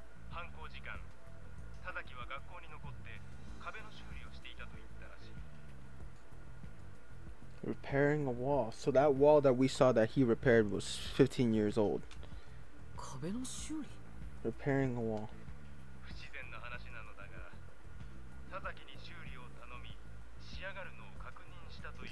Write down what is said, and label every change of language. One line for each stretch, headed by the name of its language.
Japanese: 犯行時間、田崎は学校に残って壁の修理をしていたと言ったらしい。
English: Repairing a wall. So that wall that we saw that he repaired was 15 years old.
Japanese: 壁の修理?
English: Repairing a wall.
Japanese: 不自然な話なのだが、田崎に修理を頼み、仕上がるのを確認したという。